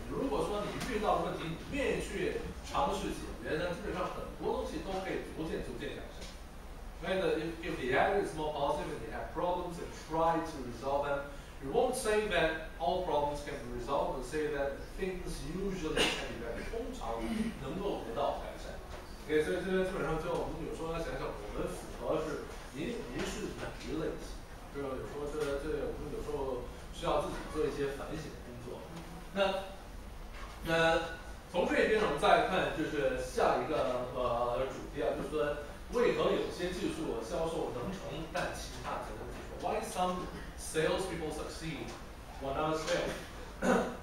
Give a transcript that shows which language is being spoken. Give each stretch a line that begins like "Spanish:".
Chinese: 如果说你遇到问题，你愿意去尝试解决，那基本上很多东西都可以逐渐改善。所以呢
English: ，if the attitude is more positive and you have problems and try to resolve them, you won't say that all problems can be resolved, but say that things usually can be better.
Chinese: 通常能够得到改善。 OK, 所以这基本上就我们有时候要想想，我们符合是您是哪一类型？就是有时候这我们有时候需要自己做一些反省的工作。那从这边我们再看就是下一个主题啊，就是说为何有些技术销售能成，但其他才能不成 ？
English: Why some sales people succeed, when others fail？